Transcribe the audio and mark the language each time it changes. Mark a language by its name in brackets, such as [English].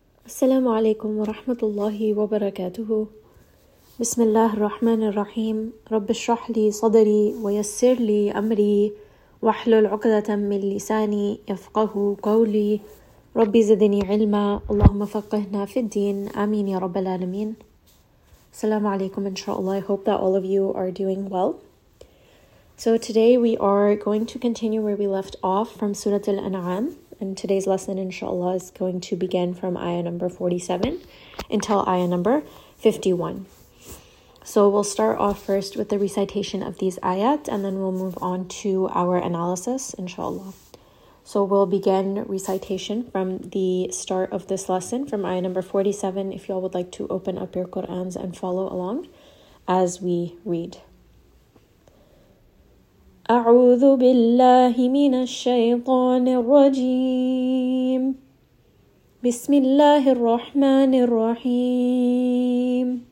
[Arabic] السلام عليكم ورحمة الله وبركاته. بسم الله الرحمن الرحيم. رب اشرح لي صدري ويسر لي أمري واحلل عقدة من لساني يفقه قولي. ربي زدني علما، اللهم فقهنا في الدين، آمين يا رب العالمين. السلام عليكم. إن شاء الله. [English] I hope that all of you are doing well. So today we are going to continue where we left off from Surah Al-An'am. And today's lesson, inshallah, is going to begin from ayah number 47 until ayah number 51. So we'll start off first with the recitation of these ayat, and then we'll move on to our analysis, inshallah. So we'll begin recitation from the start of this lesson, from ayah number 47, if y'all would like to open up your Qur'ans and follow along as we read. [Arabic] أعوذ بالله من الشيطان الرجيم بسم الله الرحمن الرحيم